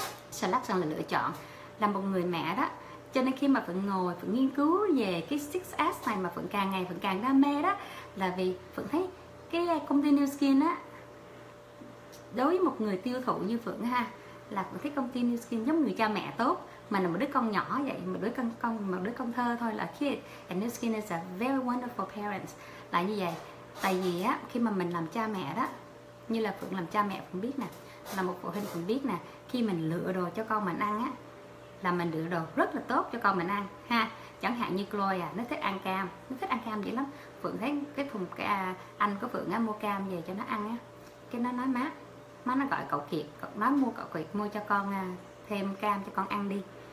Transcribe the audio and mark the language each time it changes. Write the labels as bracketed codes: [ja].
[vi] Selection là lựa chọn. Là một người mẹ đó, cho nên khi mà Phượng ngồi Phượng nghiên cứu về cái 6S này, mà Phượng càng ngày Phượng càng đam mê đó, là vì Phượng thấy cái công ty New Skin á, đối với một người tiêu thụ như Phượng ha, là Phượng thấy công ty New Skin giống người cha mẹ tốt. Mình là một đứa con nhỏ vậy, một đứa con, một đứa con thơ thôi, là kid. [en] And New Skin is a very wonderful parents. [vi] Là như vậy. Tại vì á, khi mà mình làm cha mẹ đó, như là Phượng làm cha mẹ Phượng biết nè, là một phụ huynh Phượng biết nè, khi mình lựa đồ cho con mình ăn á, là mình lựa đồ rất là tốt cho con mình ăn ha. Chẳng hạn như Chloe à, nó thích ăn cam dữ lắm. Phượng thấy cái thùng cái anh của Phượng á, mua cam về cho nó ăn á, cái nó nói má nó gọi cậu Kiệt, má mua cậu Kiệt mua cho con thêm cam cho con ăn đi.